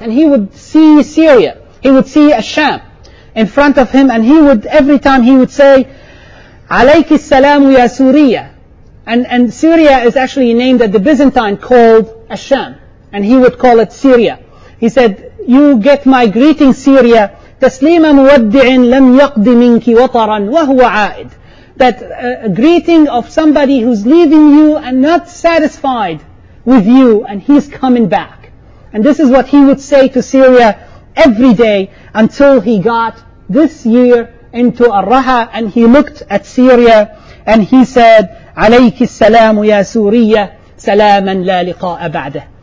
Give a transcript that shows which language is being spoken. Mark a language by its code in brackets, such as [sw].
[en] And he would see Syria. He would see Asham in front of him. And he would, every time he would say, [ar] عليك السلام يا سوريا. [en] And Syria is actually a name that the Byzantine called Asham. And he would call it Syria. He said, you get my greeting, Syria. [ar] تسليما مودع لم يقض منك وطرا وهو عائد. [en] That a greeting of somebody who's leaving you and not satisfied with you, and he's coming back. And this is what he would say to Syria every day until he got this year into Arraha, and he looked at Syria and he said, [ar] عليك السلام يا سوريا سلاما لا لقاء بعده.